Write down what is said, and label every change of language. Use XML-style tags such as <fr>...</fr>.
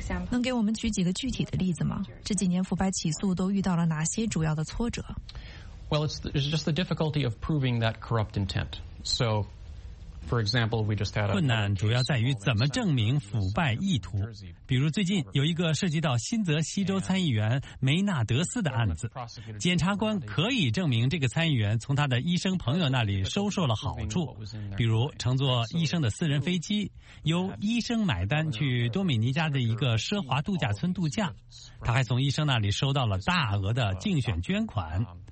<zh>能给我们举几个具体的例子吗？这几年腐败起诉都遇到了哪些主要的挫折？</zh> <en>Well, it's just the difficulty of proving that corrupt intent. So, for example, we just had a</en> <zh>困难主要在于怎么证明腐败意图。比如最近有一个涉及到新泽西州参议员梅纳德斯的案子，检察官可以证明这个参议员从他的医生朋友那里收受了好处，比如乘坐医生的私人飞机，由医生买单去多米尼加的一个奢华度假村度假，他还从医生那里收到了大额的竞选捐款。</zh>